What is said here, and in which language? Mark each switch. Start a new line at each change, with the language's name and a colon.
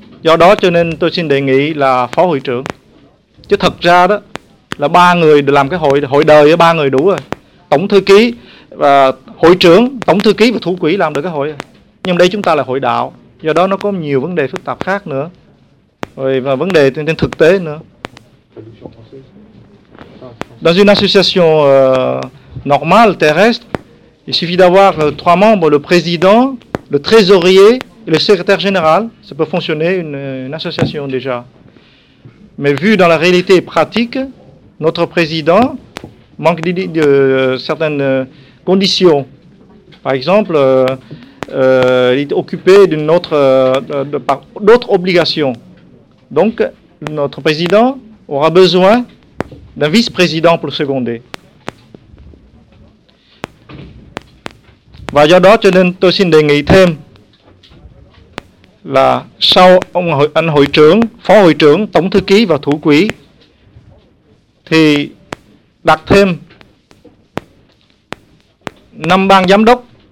Vietnamese: Do đó cho nên tôi xin đề nghị là phó hội trưởng. Chứ thật ra đó là ba người làm cái hội đời ba người đủ rồi, tổng thư ký và hội trưởng, tổng thư ký và thủ quỹ làm được cái hội rồi. Nhưng đây chúng ta là hội đạo, do đó nó có nhiều vấn đề phức tạp khác nữa. Rồi và vấn đề trên thực tế nữa.
French: Dans une association normale terrestre, il suffit d'avoir trois membres, le président, le trésorier et le secrétaire général, ça peut fonctionner une association déjà. Mais vu dans la réalité pratique, notre président manque de certaines conditions. Par exemple, il est occupé d'une autre, par d'autres obligations. Donc, notre président aura besoin d'un vice-président pour le seconder.
Vietnamese: Và do đó cho nên tôi xin đề nghị thêm là sau anh hội trưởng, phó hội trưởng, tổng thư ký và thủ quỹ thì đặt thêm 5 ban giám đốc.